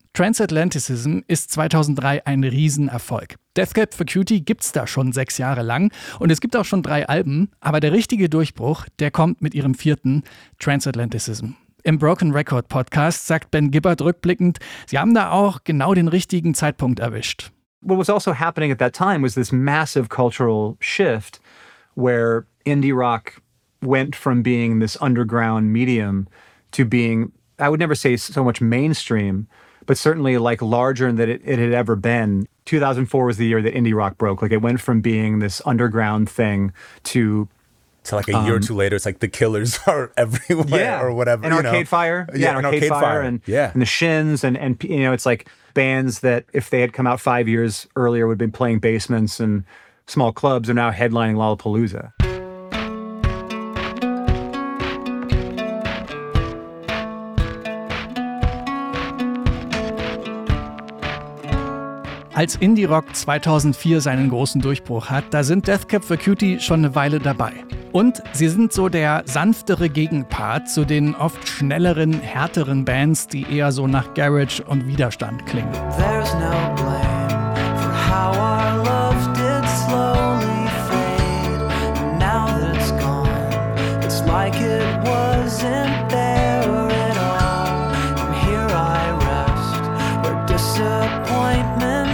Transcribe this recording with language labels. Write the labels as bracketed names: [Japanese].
[German] Transatlanticism ist 2003 ein Riesenerfolg. Deathcap for Cutie gibt's da schon 6 Jahre lang und es gibt auch schon 3 Alben, aber der richtige Durchbruch, der kommt mit ihrem 4. Transatlanticism. Im Broken Record Podcast sagt Ben Gibbard rückblickend, sie haben da auch genau den richtigen Zeitpunkt erwischt. [English] What was also happening at that time was this massive cultural shift where indie rock went from being this underground medium to being, I would never say so much mainstream, but certainly like larger than it had ever been. 2004 was the year that indie rock broke. Like it went from being this underground thing to... So like a year or two later, it's like the Killers are everywhere, yeah, or whatever. And you Arcade Fire. Yeah, and Arcade Fire. And, yeah. And the Shins. And you know, it's like bands that if they had come out 5 years earlier would have been playing basements and small clubs are now headlining Lollapalooza. [German] Als Indie-Rock 2004 seinen großen Durchbruch hat, da sind Deathcap for Cutie schon eine Weile dabei. Und sie sind so der sanftere Gegenpart zu den oft schnelleren, härteren Bands, die eher so nach Garage und Widerstand klingen. [English] There's no blame for how our love did slowly fade. Now that it's gone, it's like it wasn't there at all. And here I rest, where disappointment.